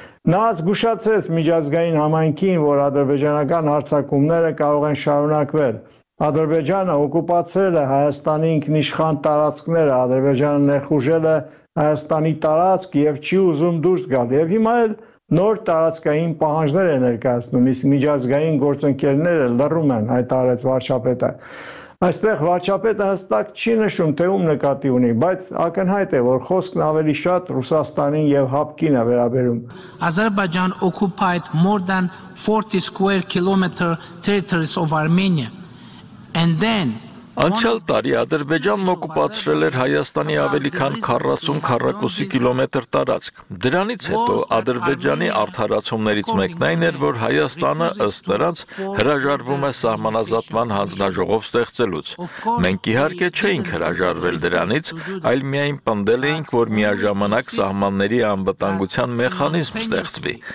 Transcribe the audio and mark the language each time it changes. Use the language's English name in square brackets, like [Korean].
[Armenian] Նա զգուշացրեց միջազգային համայնքին, որ ադրբեջանական հարձակումները կարող են շարունակվել։ Ադրբեջանը օկուպացրել է Հայաստանի ինքնիշխան տարածքները, ադրբեջանը ներխուժել է Հայաստանի տարածք և չի ուզում դուրս գալ, և հիմա էլ նոր տարածքային պահանջներ է ներկայացնում, իսկ միջազգային գործընկերները լռում են, հայտարարեց վարչապետը։ Այստեղ վարչապետը հստակ չի նշում, թե ում նկատի ունի, բայց ակնհայտ է, որ խոսքն ավելի շատ Ռուսաստանին և ՀԱՊԿ-ին է վերաբերում։ [English] Azerbaijan occupied more than 40 square kilometer territories of Armenia and then [Armenian] Անցյալ տարի Ադրբեջանն օկուպացրել էր Հայաստանի ավելի քան 40 քառակուսի կիլոմետր տարածք։ Դրանից հետո Ադրբեջանի արդարացումներից մեկն այն էր, որ Հայաստանը ըստ նրանց հրաժարվում է սահմանազատման հանձնաժողով ստեղծելուց։ Մենք իհարկե չէինք հրաժարվել դրանից, այլ միայն պնդել էինք, որ միաժամանակ սահմանների անվտանգության մեխանիզմ ստեղծվի։